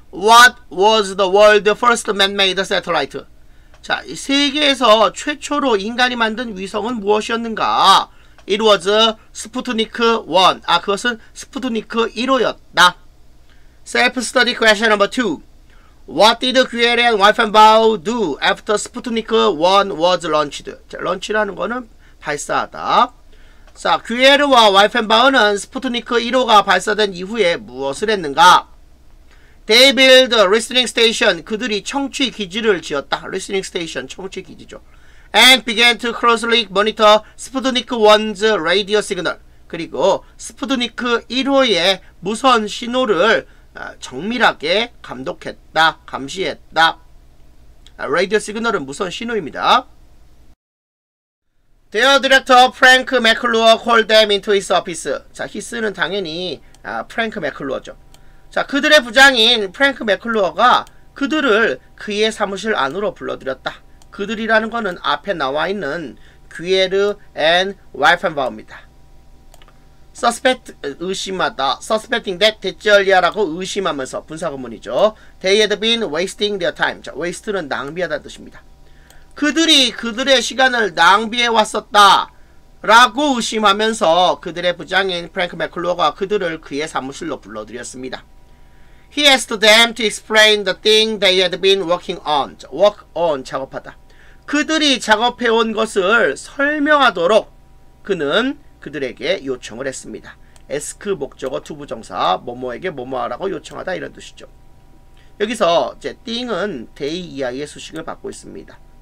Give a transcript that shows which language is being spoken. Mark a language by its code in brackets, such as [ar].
[en] What was the world first man-made satellite? [ko] 자, 이 세계에서 최초로 인간이 만든 위성은 무엇이었는가? [en] It was Sputnik 1. [ko] 아, 그것은 Sputnik 1호였다. [en] Self-study question number 2. What did Guerrier and Wiefenbau do after Sputnik 1 was launched? [ko] 자, launch라는 거는 발사하다. 자, 규에르와 와이펜바우는 Sputnik 1호가 발사된 이후에 무엇을 했는가? [en] They build a listening station. [ko] 그들이 청취 기지를 지었다. Listening station, 청취 기지죠. [en] And began to closely monitor Sputnik 1's radio signal. [ko] 그리고 스푸드니크 1호의 무선 신호를 정밀하게 감독했다. 감시했다. Radio signal은 무선 신호입니다. [en] Their director Frank McClure called them into his office. [ko] 자, his는 당연히 프랭크 맥클루어죠. 자, 그들의 부장인 프랭크 맥클루어가 그들을 그의 사무실 안으로 불러들였다. 그들이라는 것은 앞에 나와 있는 귀에르 앤 와이펜바우입니다. Suspect 의심하다. Suspecting that 대절이야라고 의심하면서 분사구문이죠. [en] They had been wasting their time. [ko] 자, waste는 낭비하다는 뜻입니다. 그들이 그들의 시간을 낭비해 왔었다라고 의심하면서 그들의 부장인 프랭크 맥클루어가 그들을 그의 사무실로 불러들였습니다. [en] He asked them to explain the thing they had been working on. [ko] Work on, 작업하다. 그들이 작업해온 것을 설명하도록 그는 그들에게 요청을 했습니다. ask 목적어 to 부정사, 뭐뭐에게 뭐뭐하라고 요청하다 이런 뜻이죠. 여기서 이제 thing은 they 이하의 수식을 받고 있습니다.